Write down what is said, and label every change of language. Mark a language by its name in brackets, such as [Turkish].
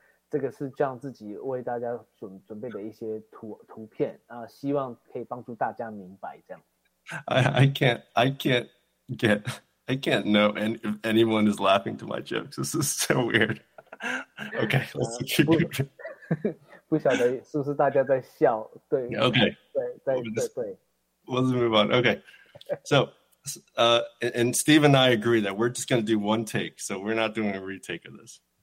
[Chinese] 这个是这样自己为大家准备的一些图片啊，希望可以帮助大家明白这样。 [English] I can't know if anyone is laughing to my jokes. This is so weird. Okay, let's keep going. [Chinese] 不晓得是不是大家在笑？对 [English] ，Okay, [Chinese] 对。 [English] Let's move on. Okay, so and Steve and I agree that we're just going to do one take, so we're not doing a retake of this.